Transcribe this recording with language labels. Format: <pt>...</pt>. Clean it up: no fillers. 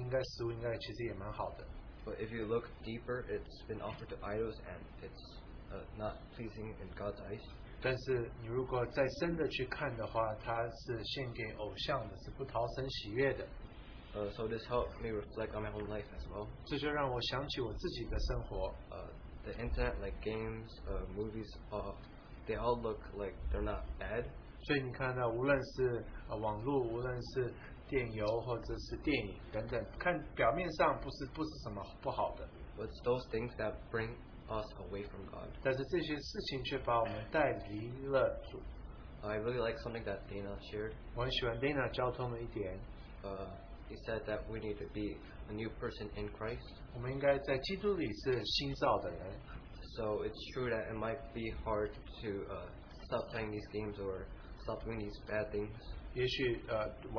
<zh>所以你想到这个王的食物，只不过是王的食物嘛，这应该食物应该其实也蛮好的。</zh> <en>But if you look deeper, it's been offered to idols and it's not pleasing in God's eyes.</en> <zh>但是你如果再深的去看的话，它是献给偶像的，是不讨神喜悦的。</zh> <en>So this helped me reflect on my own life as well.</en> <zh>这就让我想起我自己的生活。</zh> <en>The internet, like games, movies, they all look like they're not bad.</en> <zh>所以你看到，无论是网络，无论是电邮或者是电影等等，看表面上不是什么不好的。</zh> <en>But it's those things that bring us away from God.</en> <zh>但是这些事情却把我们带离了主。</zh> <en>I really like something that Dana shared.</en> <zh>我很喜欢Dana交通的一点。</zh> <en>He said that we need to be a new person in Christ.</en> <zh>我们应该在基督里是新造的人。</zh> <en>So it's true that it might be hard to stop playing these games or stop doing these bad things.</en>